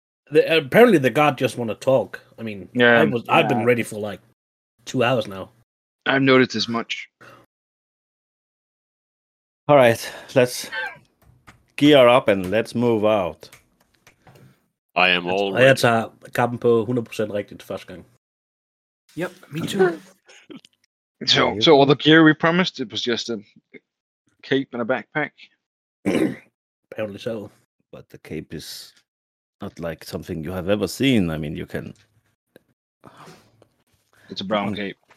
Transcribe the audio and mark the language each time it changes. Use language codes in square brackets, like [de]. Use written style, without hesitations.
[en] Apparently the guard just want to talk. I mean, yeah, I've been ready for like 2 hours now. I've noticed as much. All right, let's gear up and let's move out. I am all ready. [da] Jeg tager kappen på 100% rigtigt første gang. [en] Yep, me too. So all the gear we promised, it was just a cape and a backpack? Apparently so. But the cape is not like something you have ever seen. I mean, you can... It's a brown cape.